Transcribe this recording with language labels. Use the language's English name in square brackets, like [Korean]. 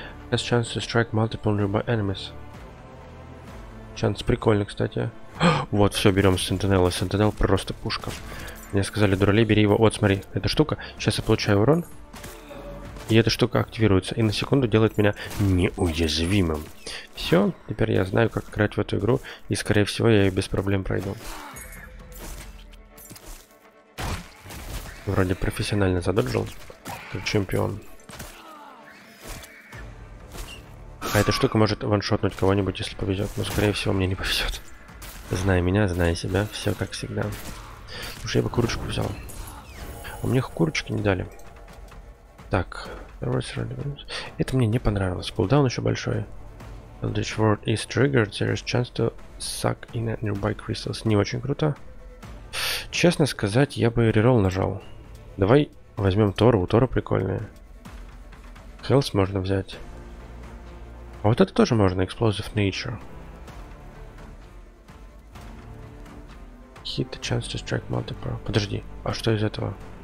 [English] Has chance to strike multiple nearby enemies. [Russian] Chance прикольный, кстати. Вот, все, берем Sentinel. Sentinel просто пушка. Мне сказали, дуралей, бери его. Вот, смотри, эта штука. Сейчас я получаю урон. И эта штука активируется. И на секунду делает меня неуязвимым. Все, теперь я знаю, как играть в эту игру. И, скорее всего, я ее без проблем пройду. Вроде профессионально задоджил. Как чемпион. А эта штука может ваншотнуть кого-нибудь, если повезет. Но, скорее всего, мне не повезет. Зная меня, зная себя. Все как всегда. Слушай, я бы курочку взял. А мне курочки не дали. Так. Это мне не понравилось. Кулдаун еще большой. [English] Eldritch Ward is triggered. There is chance to suck in a nearby crystals. [Russian] Не очень круто. Честно сказать, я бы рерол нажал. Давай возьмем Тора. У Тора прикольные. Health можно взять. А вот это тоже можно. Explosive Nature. [English] Hit the chance to strike multiple. [Russian] Подожди, а что из этого?